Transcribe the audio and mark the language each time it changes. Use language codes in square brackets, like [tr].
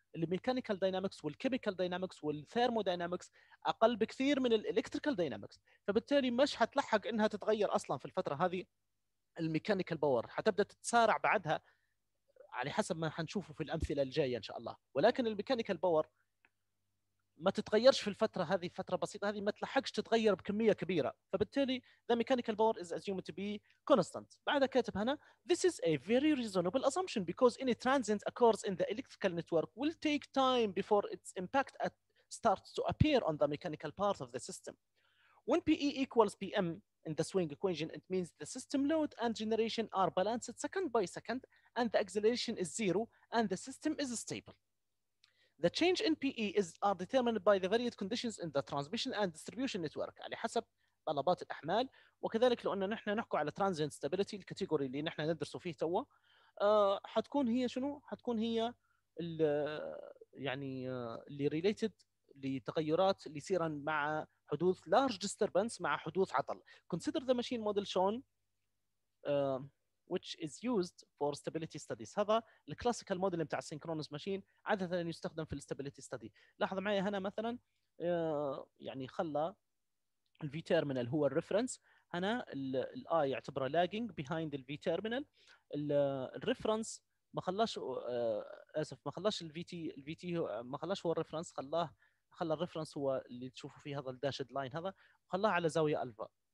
[ar] الميكانيكال داينامكس والكيميكال داينامكس والثيرمو داينامكس اقل بكثير من الالكتريكال داينامكس، فبالتالي مش حتلحق انها تتغير اصلا في الفتره هذه الميكانيكال باور، حتبدا تتسارع بعدها على حسب ما حنشوفه في الامثله الجايه ان شاء الله. ولكن الميكانيكال باور ما تتغيرش في الفتره هذه، فتره بسيطه هذه ما تلحقش تتغير بكميه كبيره، فبالتالي [en] The mechanical power is assumed to be constant. [ar] بعدها كاتب هنا [en] this is a very reasonable assumption because any transient occurs in the electrical network will take time before its impact starts to appear on the mechanical part of the system. When PE equals PM in the swing equation, it means the system load and generation are balanced second by second and the acceleration is zero and the system is stable. The change in PE is are determined by the varied conditions in the transmission and distribution network. [ar] على حسب طلبات الأحمال، وكذلك لو أن نحن نحكي على transient stability الكاتيجوري اللي نحن ندرسه فيه توا، حتكون هي شنو؟ حتكون هي يعني اللي related لتغيرات اللي يصير مع حدوث large disturbance مع حدوث عطل. [en] Consider the machine model shown which is used for stability studies. [ar] هذا الكلاسيكال موديل بتاع السينكرونس ماشين، عادة يستخدم في الستابيليتي ستدي. لاحظ معي هنا مثلا يعني خلى الفي تيرمينال هو الريفرنس، هنا الاي يعتبره لاجينج بيهايند الفي تيرمينال، الريفرنس ما خلاش اسف ما خلاش الفي تي، الفي تي ما خلاش هو الريفرنس، خلى الريفرنس هو اللي تشوفوا فيه هذا الداشد لاين هذا، خلاه على زاويه الفا.